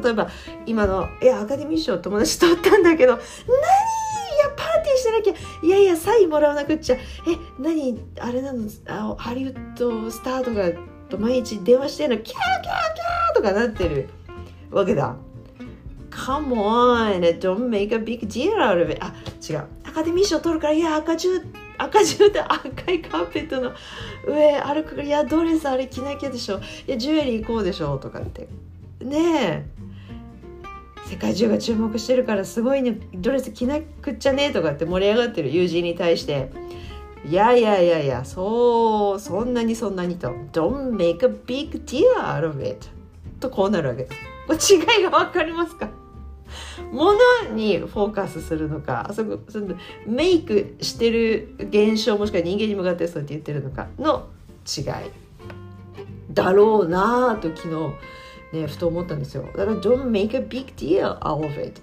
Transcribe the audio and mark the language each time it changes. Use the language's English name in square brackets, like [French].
[Japanese] 例えば今の、いや、アカデミー賞友達取ったんだけど、何、いや、パーティーしてなきゃ、いやいや、サインもらわなくっちゃ、え、何あれなの、あ、ハリウッドスターとかと毎日電話してるの、キャーキャーキャーとかなってるわけだ。 [English] Come on, don't make a big deal out of it. [Japanese] あ、違う。アカデミー賞取るから、いや、赤じゅうで赤いカーペットの上歩くから、いや、ドレスあれ着なきゃでしょ。いや、ジュエリー行こうでしょ、とかって。ねえ。世界中が注目してるから、すごいね、ドレス着なくっちゃねえ、とかって盛り上がってる友人に対して。いやいやいやいや、そう、そんなにそんなにと。 [English] Don't make a big deal out of it. [Japanese] とこうなるわけです。違いが分かりますか。物にフォーカスするのか、そのメイクしてる現象、もしくは人間に向かってそうって言ってるのかの違いだろうなと昨日、ね、ふと思ったんですよ。だから [English] Don't make a big deal out of it。